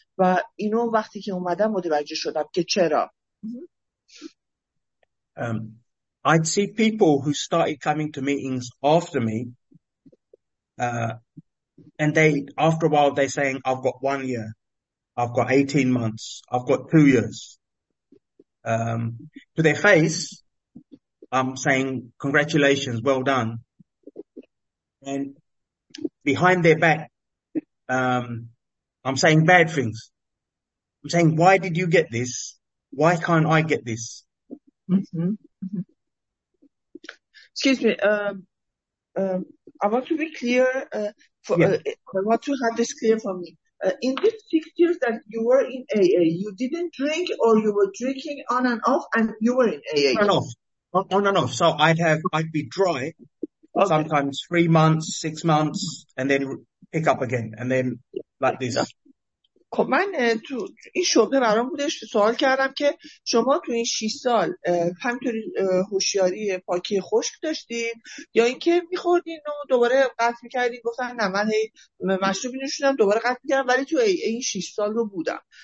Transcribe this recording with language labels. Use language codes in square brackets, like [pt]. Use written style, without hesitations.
[fa] و اینو وقتی که اومدم متوجه شدم که چرا. [en] I'd see people who started coming to meetings after me, and they, after a while, they're saying, I've got 1 year, I've got 18 months, I've got 2 years. To their face, I'm saying, congratulations, well done. And behind their back, I'm saying bad things. I'm saying, why did you get this? Why can't I get this? Excuse me, I want to be clear, for, yeah. I want to have this clear for me. in these 6 years that you were in AA, you didn't drink, or you were drinking on and off, and you were in AA? On and off. So I'd be dry, okay, sometimes 3 months, 6 months, and then pick up again, and then like this. [fa] خب من تو این شعبه برام بودش که سوال کردم که شما تو این 6 سال همینطوری هوشیاری پاکی خشک داشتید یا اینکه می‌خوردین و دوباره قطع می‌کردین؟ گفتن نه من هی مشروب نوشیدم دوباره قطع می‌کردم، ولی تو این 6 سال رو بودم.